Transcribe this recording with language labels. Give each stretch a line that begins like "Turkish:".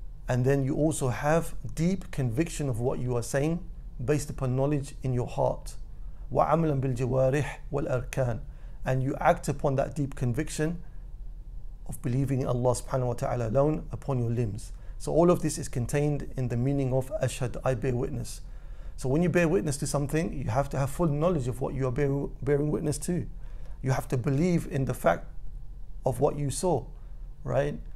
English: And then you also have deep conviction of what you are saying based upon knowledge in your heart.
Arabic: وعملا بالجوارح والأركان.
English: And you act upon that deep conviction of believing in Allah subhanahu wa ta'ala alone upon your limbs. So all of this is contained in the meaning of ashhad, I bear witness. So when you bear witness to something, you have to have full knowledge of what you are bearing witness to. You have to believe in the fact of what you saw, right?